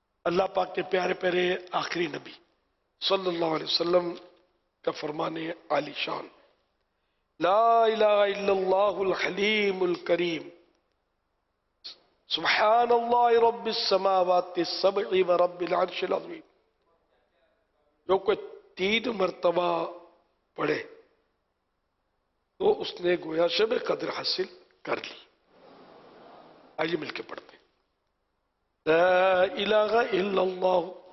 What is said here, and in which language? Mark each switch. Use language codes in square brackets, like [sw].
[ur] اللہ پاک کے پیارے پیارے آخری نبی صلی اللہ علیہ وسلم کا فرمان عالی شان, [ar] لا الہ الا اللہ الحلیم الکریم, سبحان اللہ رب السماوات السبع ورب العرش العظیم. [ur] جو کوئی تین مرتبہ پڑھے تو اس نے گویا شب قدر حاصل کر لی. آئیے مل کے پڑھتے, [ar] لا الہ الا اللہ